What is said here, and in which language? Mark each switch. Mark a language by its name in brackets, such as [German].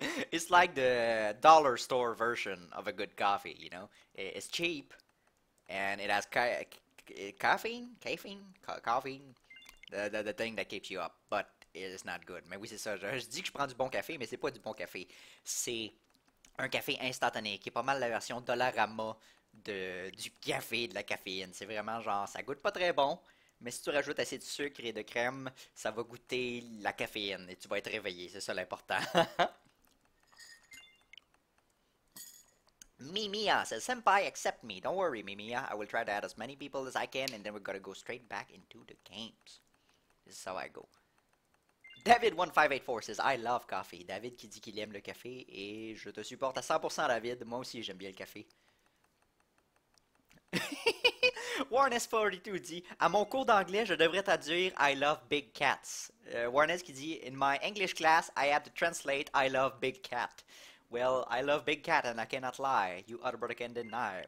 [English] It's like the dollar store version of a good coffee, you know? It's cheap. And it has caffeine. The thing that keeps you up, but it's not good. [French] Mais oui, c'est ça. Je dis que je prends du bon café, mais c'est pas du bon café. C'est un café instantané, qui est pas mal la version Dollarama du café, de la caféine. C'est vraiment genre, ça goûte pas très bon, mais si tu rajoutes assez de sucre et de crème, ça va goûter la caféine et tu vas être réveillé. C'est ça l'important. [English] Mimiya says, Senpai, accept me. Don't worry, Mimiya. I will try to add as many people as I can, and then we're gonna go straight back into the games. This is how I go. David1584 says, I love coffee. [French] David qui dit qu'il aime le café et je te supporte à 100% David. Moi aussi j'aime bien le café. Warnes42 dit, à mon cours d'anglais, je devrais traduire [English] I love big cats. Warnes [French] qui dit, [English] in my English class, I had to translate I love big cat. Well, I love big cat and I cannot lie. You utter brother can deny.